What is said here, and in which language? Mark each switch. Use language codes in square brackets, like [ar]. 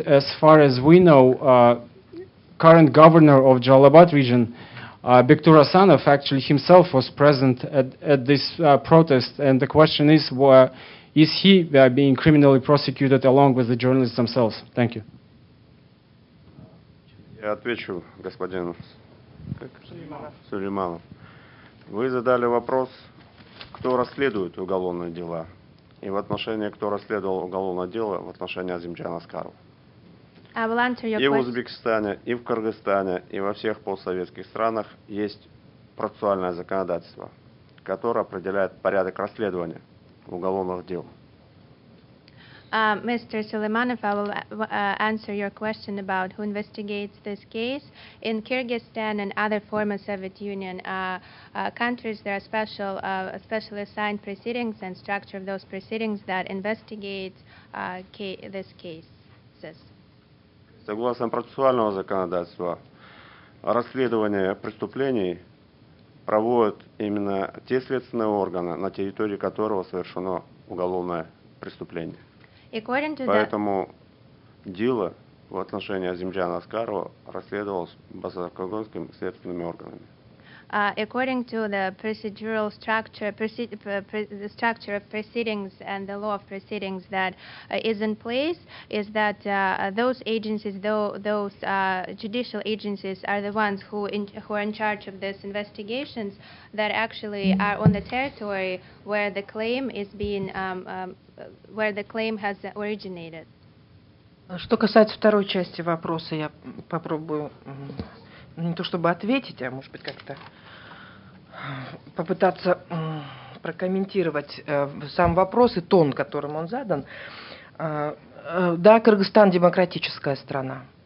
[en] As far as we know, current governor of Jalalabad region, Bektur Asanov, actually himself was present at this protest. And the question is he being criminally prosecuted along with the journalists themselves? Thank you. [ru] Я отвечу господину Сулейманов. Вы задали вопрос, кто расследует уголовные дела, и в отношении, кто расследовал уголовное дело в отношении Азимжана Аскарова. [en] I will answer your question. [ru] И в Узбекистане, и в Кыргызстане, и во всех постсоветских странах есть процессуальное законодательство, которое определяет порядок расследования уголовных дел. [en] Mr. Sulaymanov, I will answer your question about who investigates this case. In Kyrgyzstan and other former Soviet Union countries, there are specially assigned proceedings and structure of those proceedings that investigate this case. [ru] Согласно процессуального законодательства, расследование преступлений проводят именно те следственные органы, на территории которого совершено уголовное преступление. Поэтому дело в отношении Азимжана Аскарова расследовалось Басакогонским следственными органами. [en] According to the procedural structure, the structure of proceedings and the law of proceedings that is in place, is that those agencies, those judicial agencies, are the ones who are in charge of these investigations that actually are on the territory where the claim is being where the claim has originated. [ru] Что касается второй части вопроса, я попробую не то чтобы ответить, а может быть как-то попытаться прокомментировать сам вопрос и тон, которым он задан. Да, Кыргызстан – демократическая страна.